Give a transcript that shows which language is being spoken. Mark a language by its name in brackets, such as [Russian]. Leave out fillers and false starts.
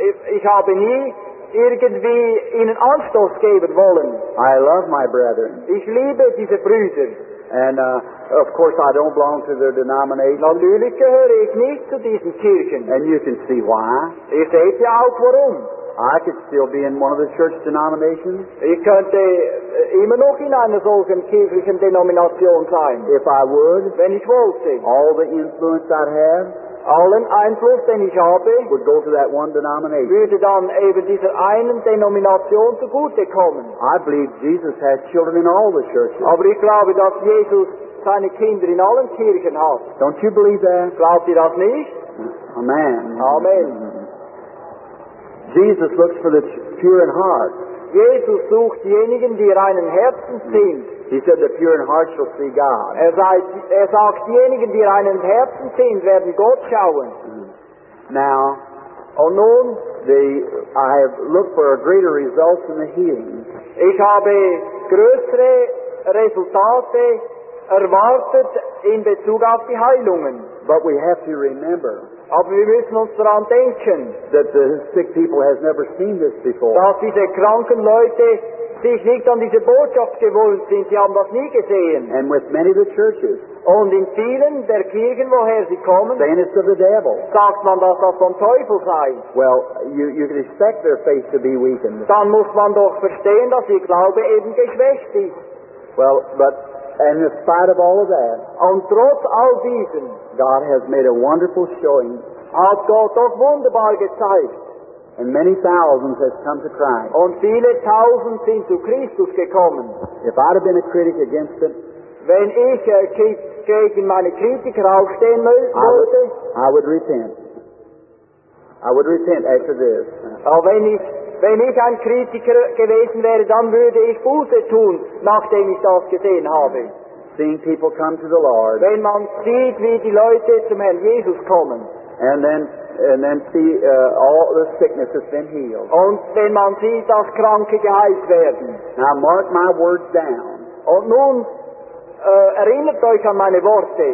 [German] Ich habe nie irgendwie ihnen Anstoß geben wollen. [English] I love my brethren. [German] Ich liebe diese Brüder. [English] And of course, I don't belong to their denomination. [German] Natürlich gehöre ich nicht zu diesen Kirchen. [English] And you can see why. [German] Ihr seht ja auch warum. [English] I could still be in one of the church denominations. [German] Ich könnte immer noch in einer solchen kirchlichen Denomination sein. [English] If I would, [German] wenn ich wollte, [English] all the influence I'd have, [German] allen Einfluss, den ich habe, [English] would go to that one denomination. [German] Würde dann eben dieser einen Denomination zugute kommen. [English] I believe Jesus has children in all the churches. [German] Aber ich glaube, dass Jesus seine Kinder in allen Kirchen hat. [English] Don't you believe that? [German] Glaubt ihr das nicht? [English] Amen. [German] Amen. [English] Jesus looks for the pure in heart. [German] Jesus sucht diejenigen, die reinen Herzen sind. [English] He said, the pure in heart shall see God. [German] Er sagt, diejenigen, die reinen Herzen sind, werden Gott schauen. [English] Now, [German] oh nun, [English] I have looked for a greater results in the healing. [German] Ich habe größere Resultate erwartet in Bezug auf die Heilungen. [English] But we have to remember. [German] Aber wir müssen uns daran denken, [English] that the sick people has never seen this before. [German] Dass diese kranken Leute sich nicht an diese Botschaft gewohnt sind, sie haben das nie gesehen. [English] And with many of the churches, [German] und in vielen der Kirchen, woher sie kommen, [English] saying it's of the devil, [German] sagt man, dass das vom Teufel sei. [English] Well, you can expect their faith to be weakened. [German] Dann muss man doch verstehen, dass ihr Glaube eben geschwächt ist. [English] Well, but and in spite of all of that, [German] und trotz all diesen, [English] God has made a wonderful showing. [German] Hat Gott doch wunderbar gezeigt. [English] And many thousands have come to Christ. [German] Und viele Tausend sind zu Christus gekommen. [English] If I'd have been a critic against it, [German] wenn ich gegen meine Kritiker aufstehen möchte, [English] I would repent. I would repent after this. [German] Wenn ich ein Kritiker gewesen wäre, dann würde ich Buße tun, nachdem ich das gesehen habe. [English] Seeing people come to the Lord. [German] Wenn man sieht, wie die Leute zum Herrn Jesus kommen. [English] And then see all the sickness has been healed. [German] Und wenn man sieht, dass Kranke geheilt werden. [English] Now mark my words down. [German] Und nun erinnert euch an meine Worte.